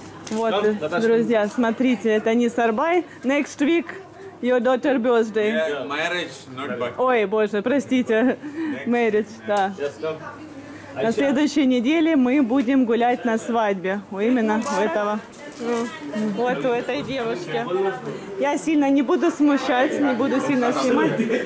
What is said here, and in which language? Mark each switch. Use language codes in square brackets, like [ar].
[ru] Вот, друзья, смотрите, это Nisarbay. [en] Next week your daughter birthday. Yeah, marriage, not birthday. [ru] Ой, боже, простите. Marriage, да. На следующей неделе мы будем гулять на свадьбе. Именно у этого. Вот у этой девушки. Я сильно не буду смущать, не буду сильно снимать.